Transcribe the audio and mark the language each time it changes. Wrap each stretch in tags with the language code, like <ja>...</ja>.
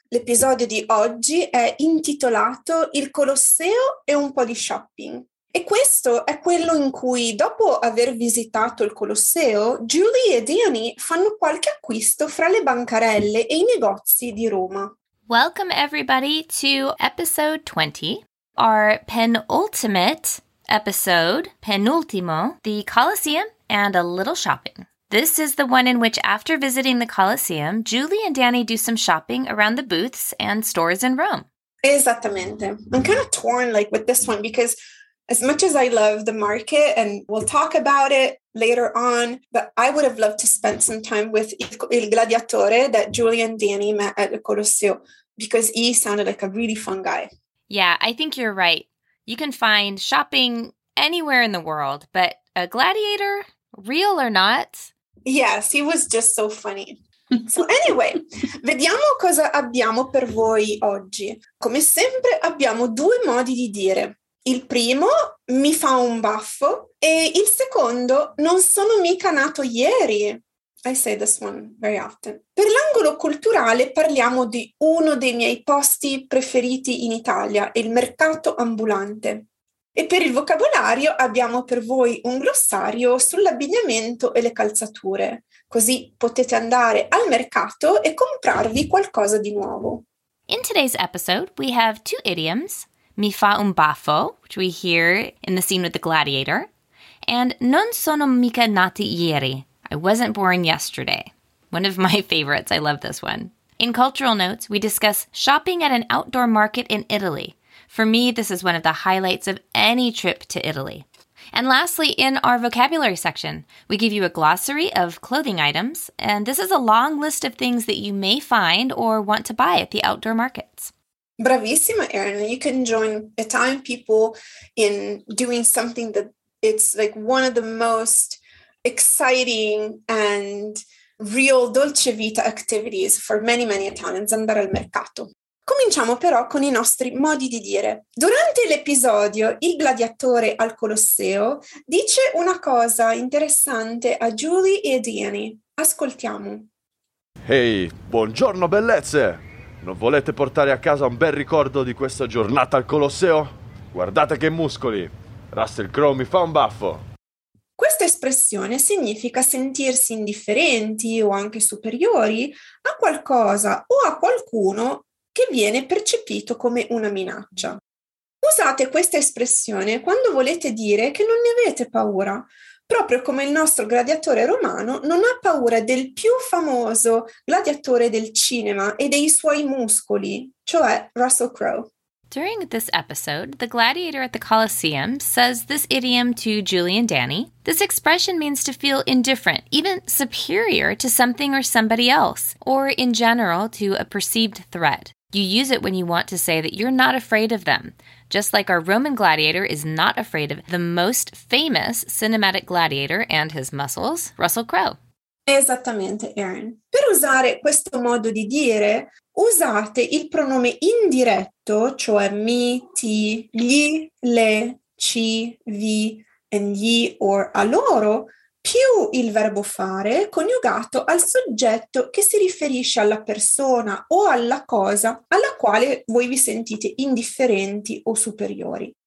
<it>L'episodio di oggi è intitolato Il Colosseo e un po' di shopping. E questo è quello in cui, dopo aver visitato il Colosseo, Julie e Danny fanno qualche acquisto fra le bancarelle e i negozi di Roma.</it> <en>Welcome everybody to episode 20, our penultimate episode, penultimo, the Colosseum and a little shopping. This is the one in which, after visiting the Colosseum, Julie and Danny do some shopping around the booths and stores in Rome.</en> <es>Exactamente.</es> <en>I'm kind of torn like with this one because as much as I love the market, and we'll talk about it later on, but I would have loved to spend some time with Il Gladiatore that Julie and Danny met at the Colosseo because he sounded like a really fun guy. Yeah, I think you're right. You can find shopping anywhere in the world, but a gladiator, real or not? Yes, he was just so funny. So anyway,</en> <it>vediamo cosa abbiamo per voi oggi. Come sempre abbiamo due modi di dire. Il primo, mi fa un baffo. E il secondo, non sono mica nato ieri.</it> <en>I say this one very often.</en> <it>Per l'angolo culturale parliamo di uno dei miei posti preferiti in Italia, il mercato ambulante. E per il vocabolario abbiamo per voi un glossario sull'abbigliamento e le calzature. Così potete andare al mercato e comprarvi qualcosa di nuovo.</it> <en>In today's episode we have two idioms.</en> <it>Mi fa un baffo,</it> <en>which we hear in the scene with the gladiator, and</en> <it>non sono mica nati ieri,</it> <en>I wasn't born yesterday. One of my favorites, I love this one. In cultural notes, we discuss shopping at an outdoor market in Italy. For me, this is one of the highlights of any trip to Italy. And lastly, in our vocabulary section, we give you a glossary of clothing items, and this is a long list of things that you may find or want to buy at the outdoor markets.</en> <it>Bravissima, Erin.</it> <en>You can join Italian people in doing something that it's like one of the most exciting and real dolce vita activities for many, many Italians,</en> <it>andare al mercato. Cominciamo però con i nostri modi di dire. Durante l'episodio, il gladiatore al Colosseo dice una cosa interessante a Julie e a Danny. Ascoltiamo. Hey, buongiorno bellezze! Non volete portare a casa un bel ricordo di questa giornata al Colosseo? Guardate che muscoli! Russell Crowe mi fa un baffo! Questa espressione significa sentirsi indifferenti o anche superiori a qualcosa o a qualcuno che viene percepito come una minaccia. Usate questa espressione quando volete dire che non ne avete paura, proprio come il nostro gladiatore romano non ha paura del più famoso gladiatore del cinema e dei suoi muscoli, cioè Russell Crowe. During this episode, the gladiator at the Colosseum says this idiom to Julie and Danny. This expression means to feel indifferent, even superior to something or somebody else, or in general to a perceived threat. You use it when you want to say that you're not afraid of them, just like our Roman gladiator is not afraid of the most famous cinematic gladiator and his muscles, Russell Crowe. Esattamente, Erin. Per usare questo modo di dire, usate il pronome indiretto, cioè mi, ti, gli, le, ci, vi, and gli or a loro, più il verbo fare coniugato al soggetto che si riferisce alla persona o alla cosa alla quale voi vi sentite indifferenti o superiori.</it>